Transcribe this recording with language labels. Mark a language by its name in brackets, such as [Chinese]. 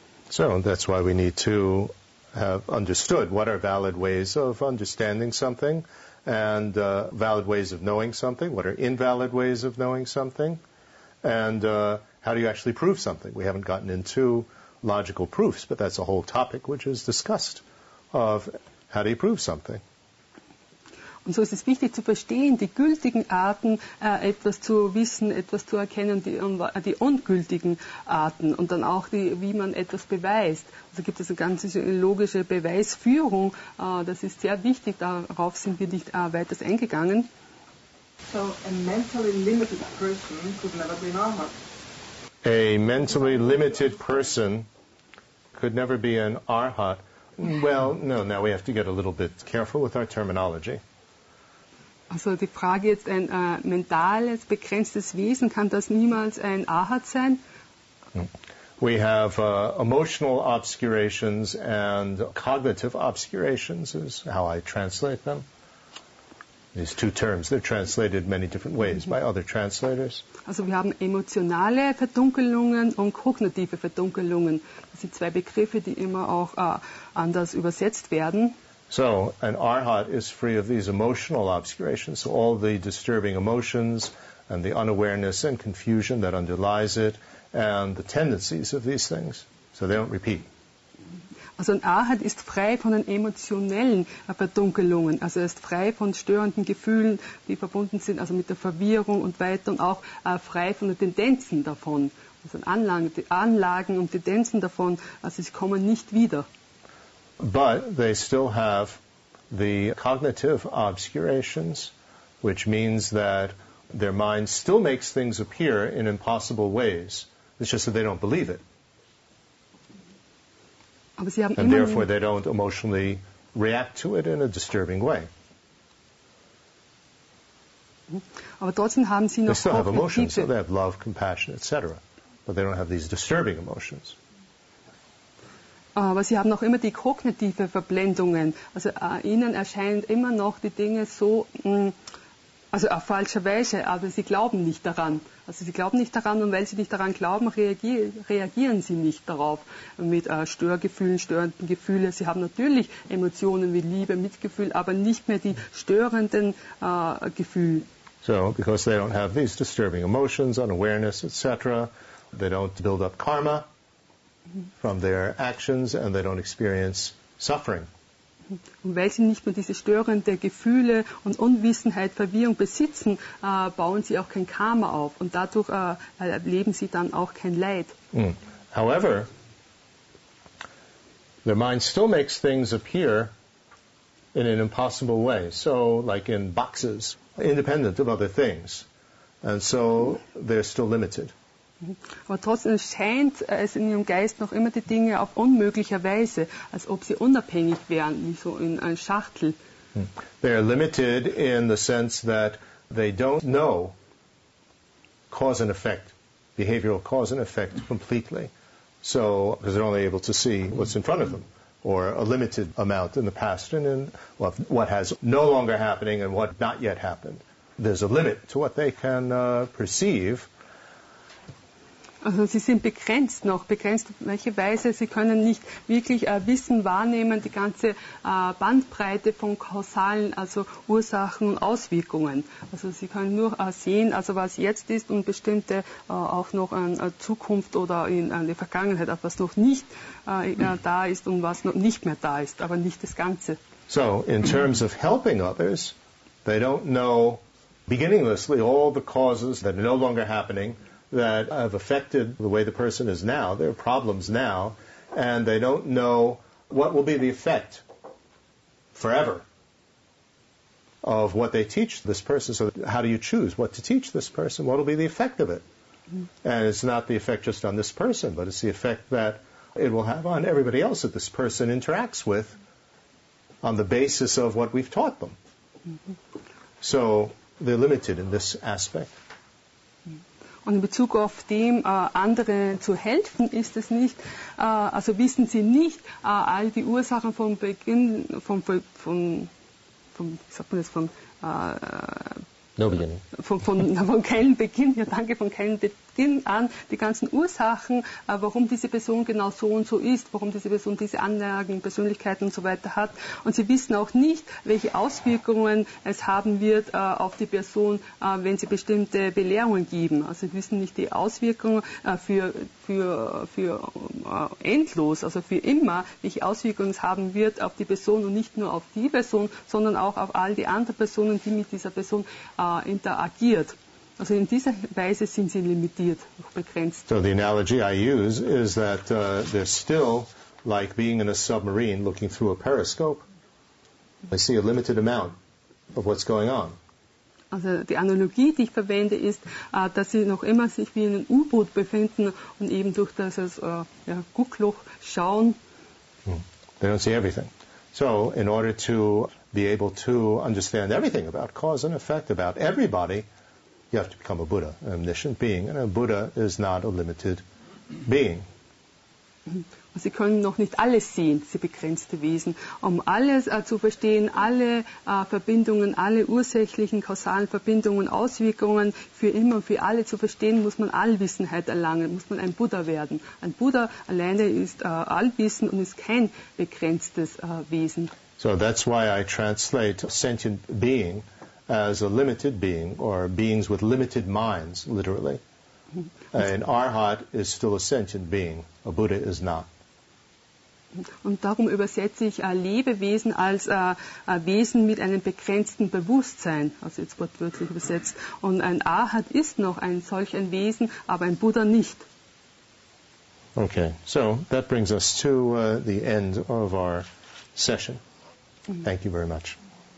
[English] So, and that's why we need to have understood what are valid ways of understanding something and valid ways of knowing something, what are invalid ways of knowing something, and how do you actually prove something? We haven't gotten into logical proofs, but that's a whole topic which is discussed of how do you prove something. [German] Und so ist es wichtig zu verstehen, die gültigen Arten etwas zu wissen, etwas zu erkennen, die ungültigen Arten und dann auch, wie man etwas beweist. Also gibt es eine ganz logische Beweisführung, das ist sehr wichtig, darauf sind wir nicht weiter eingegangen. [English] So, a mentally limited person could never be an arhat. A mentally limited person could never be an arhat. Well, no, now we have to get a little bit careful with our terminology. [German] Also die Frage jetzt, ein mentales, begrenztes Wesen, kann das niemals ein Ahat sein? [English] We have emotional obscurations and cognitive obscurations is how I translate them. These two terms, they're translated many different ways by other translators. [German] Also wir haben emotionale Verdunkelungen und kognitive Verdunkelungen. Das sind zwei Begriffe, die immer auch anders übersetzt werden. [English] So, an arhat is free of these emotional obscurations, so all the disturbing emotions and the unawareness and confusion that underlies it and the tendencies of these things, so they don't repeat. [German] Also ein arhat ist frei von den emotionellen Verdunkelungen, also er ist frei von störenden Gefühlen, die verbunden sind, also mit der Verwirrung und weiter und auch frei von den Tendenzen davon, also Anlagen und Tendenzen davon, also sie kommen nicht wieder. [English] But they still have the cognitive obscurations, which means that their mind still makes things appear in impossible ways. It's just that they don't believe it. [German] Aber sie haben [English] and therefore they don't emotionally react to it in a disturbing way. [German] Aber trotzdem haben sie noch [English] they still have emotions, so they have love, compassion, etc. But they don't have these disturbing emotions. [German] Aber sie haben noch immer die kognitive Verblendungen. Also ihnen erscheinen immer noch die Dinge so, also auf falscher Weise, aber sie glauben nicht daran. Also sie glauben nicht daran und weil sie nicht daran glauben, reagieren sie nicht darauf mit Störgefühlen, störenden Gefühlen. Sie haben natürlich Emotionen wie Liebe, Mitgefühl, aber nicht mehr die störenden Gefühle. [English] So, because they don't have these disturbing emotions, unawareness, etc. They don't build up karma from their actions and they don't experience suffering. [German] Und weil sie nicht mehr diese störenden Gefühle und Unwissenheit, Verwirrung besitzen, bauen sie auch kein Karma auf und dadurch erleben sie dann auch kein Leid. [English] However, their mind still makes things appear in an impossible way. So, like in boxes, independent of other things. And so, they're still limited. [German] Aber trotzdem scheint es in ihrem Geist noch immer die Dinge auf unmöglicher Weise, als ob sie unabhängig wären, wie so in einer Schachtel. [English] They are limited in the sense that they don't know cause and effect, behavioral cause and effect completely. So, because they're only able to see what's in front of them, or a limited amount in the past, and in what has no longer happening and what not yet happened. There's a limit to what they can perceive. [German] Also sie sind begrenzt noch, begrenzt auf welche Weise. Sie können nicht wirklich Wissen wahrnehmen, die ganze Bandbreite von kausalen, also Ursachen und Auswirkungen. Also sie können nur sehen, also was jetzt ist und bestimmte auch noch in Zukunft oder in der Vergangenheit, was noch nicht da ist und was noch nicht mehr da ist, aber nicht das Ganze. [English] So, in terms of helping others, they don't know beginninglessly all the causes that are no longer happening, that have affected the way the person is now, their problems now, and they don't know what will be the effect forever of what they teach this person. So how do you choose what to teach this person? What will be the effect of it? And it's not the effect just on this person, but it's the effect that it will have on everybody else that this person interacts with on the basis of what we've taught them. So they're limited in this aspect. [German] Und in Bezug auf dem, anderen zu helfen, ist es nicht, also wissen sie nicht all die Ursachen vom Beginn, von keinem Beginn an, die ganzen Ursachen, warum diese Person genau so und so ist, warum diese Person diese Anlagen, Persönlichkeiten und so weiter hat. Und sie wissen auch nicht, welche Auswirkungen es haben wird auf die Person, wenn sie bestimmte Belehrungen geben. Also sie wissen nicht die Auswirkungen für endlos, also für immer, welche Auswirkungen es haben wird auf die Person und nicht nur auf die Person, sondern auch auf all die anderen Personen, die mit dieser Person interagiert. Also in dieser Weise sind sie limitiert, auch begrenzt. [English] So the analogy I use is that they're still like being in a submarine looking through a periscope. They see a limited amount of what's going on. [German] Also die Analogie, die ich verwende, ist, dass sie noch immer sich wie in einem U-Boot befinden und eben durch das Guckloch schauen. [English] They don't see everything. So in order to be able to understand everything about cause and effect, about everybody, you have to become a Buddha, an omniscient being. And a Buddha is not a limited being. [German] Sie können noch nicht alles sehen, sie begrenzte Wesen. Um alles zu verstehen, alle Verbindungen, alle ursächlichen, kausalen Verbindungen, Auswirkungen für immer und für alle zu verstehen, muss man Allwissenheit erlangen, muss man ein Buddha werden. Ein Buddha alleine ist Allwissen und ist kein begrenztes Wesen. [English] So that's why I translate sentient being as a limited being, or beings with limited minds, literally. An Arhat is still a sentient being. A Buddha is not. [German] Und darum übersetze ich Lebewesen als Wesen mit einem begrenzten Bewusstsein, also jetzt wortwörtlich übersetzt. Und ein Arhat ist noch ein solch ein Wesen, aber ein Buddha nicht. [English] Okay, so that brings us to the end of our session. Thank you very much.